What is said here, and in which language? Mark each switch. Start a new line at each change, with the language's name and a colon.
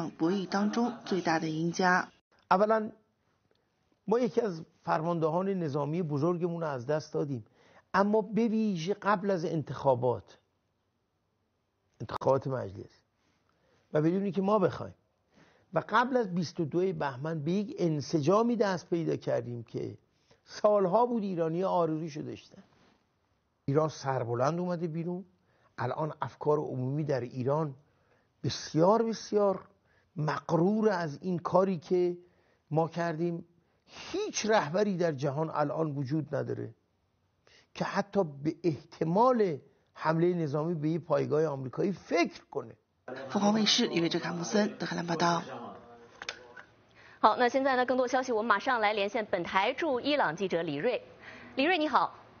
Chinese: 分析人士看来伊朗是这场博弈当中最大的赢家。
Persian: اولا ما یکی از فرماندهان نظامی بزرگمون از دست دادیم، اما به ویژه قبل از انتخابات، انتخابات مجلس و بدون اینکه ما بخوایم و قبل از 22 بهمن به یک انسجامی دست پیدا کردیم که سالها بود ایرانی آرزویشو داشتن. ایران سربلند اومده بیرون، الان افکار عمومی در ایران بسیار بسیار مقرور از این کاری که ما کردیم. هیچ رهبری در جهان الان وجود نداره که حتی به احتمال حمله نظامی به یه پایگاه آمریکایی فکر کنه.
Chinese: 凤凰卫视李瑞哲、卡姆森、德克兰报道。好，那现在呢？更多消息，我们马上来连线本台驻伊朗记者李瑞。李瑞，你好。